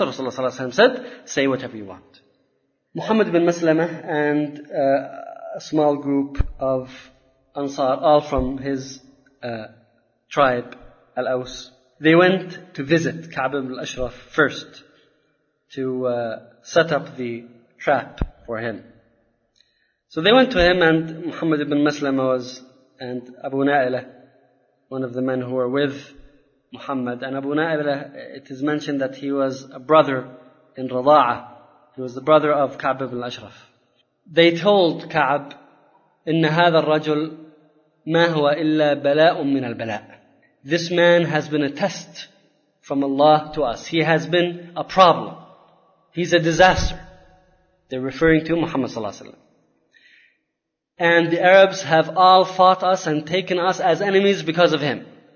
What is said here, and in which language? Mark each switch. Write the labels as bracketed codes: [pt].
[en] Rasulullah صلى الله عليه وسلم said, say whatever you want. Muhammad ibn Maslama and a small group of Ansar, all from his tribe, Al-Aws, they went to visit Ka'b ibn al-Ashraf first to set up the trap for him. So they went to him, and Muhammad ibn Maslama was, and Abu Na'ila, one of the men who were with Muhammad. And Abu Na'ila, it is mentioned that he was a brother in Rada'a. He was the brother of Ka'b ibn al-Ashraf. [ar] They told Ka'b, إِنَّ هَذَا الرَّجُلْ مَا هُوَ إِلَّا بَلَاءٌ مِّنَ الْبَلَاءِ. [en] This man has been a test from Allah to us. He has been a problem. He's a disaster. They're referring to Muhammad صلى الله عليه وسلم. And the Arabs have all fought us and taken us as enemies because of him.